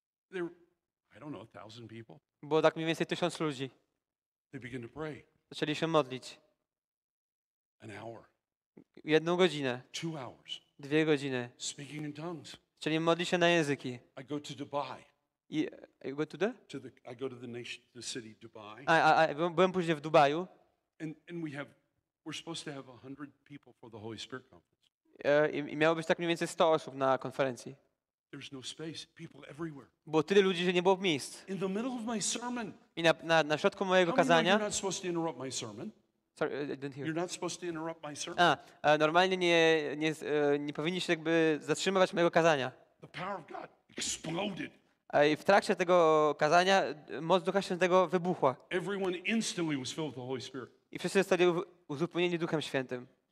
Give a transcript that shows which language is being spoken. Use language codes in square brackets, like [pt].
[en] There, I don't know, 1,000 people. [pl] Było tak mniej więcej 1,000 ludzi. [en] They begin to pray. [pl] Zaczęli się modlić. [en] An hour. [pl] Jedną godzinę. [en] 2 hours. [pl] Dwie godziny. [en] Speaking in tongues. [pl] Zaczęli modlić się na języki. [en] I go to Dubai. I go to the? To the, I go to the nation, the city Dubai. [pl] Byłem później w Dubaju. [en] And we have. We're supposed to have 100 people for the Holy Spirit conference. [pl] I miało być tak mniej więcej 100 osób na konferencji. [en] There's no space. People everywhere. [pl] Bo tyle ludzi, że nie było miejsc. [en] In the middle of my sermon. [pl] I na środku mojego kazania. [en] You're not supposed to interrupt my sermon. Sorry, I didn't hear. You're not supposed to interrupt my sermon. [pl] Normalnie nie powinniście jakby zatrzymywać mojego kazania. [en] The power of God exploded. [pl] I w trakcie tego kazania moc Ducha Świętego wybuchła. [en] Everyone instantly was filled with the Holy Spirit. [pl] I wszyscy zostali uzupełnieni Duchem Świętym.